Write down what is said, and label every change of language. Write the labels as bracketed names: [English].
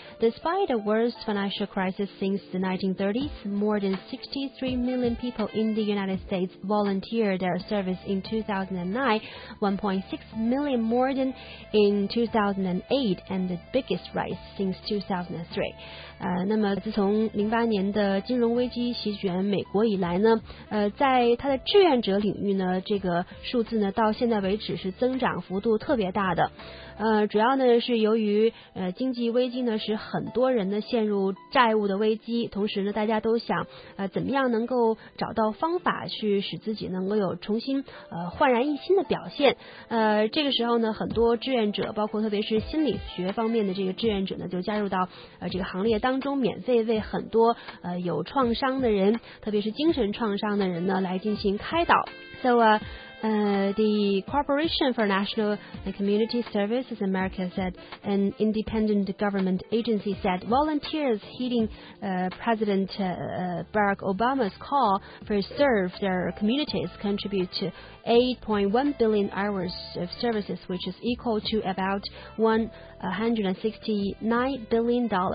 [English] Despite the worst financial crisis since the 1930s, more than 63 million people in the United States volunteered their service in 2009, 1.6 million more than in 2008, and the biggest rise since 2003. [Chinese] 那么自从08年的金融危机席卷美国以来呢，在它的志愿者领域呢，这个数字呢到现在为止是增长幅度特别大的。主要呢是由于经济危机呢使很多人呢陷入债务的危机，同时呢大家都想怎么样能够找到方法去使自己能够有重新焕然一新的表现。这个时候呢，很多志愿者，包括特别是心理学方面的这个志愿者呢，就加入到这个行列当中，免费为很多有创伤的人，特别是精神创伤的人呢来进行开导。 [English] The Corporation for National and Community Services America said, an independent government agency said, volunteers heeding President Barack Obama's call for serve their communities contribute to 8.1 billion hours of services, which is equal to about $169 billion.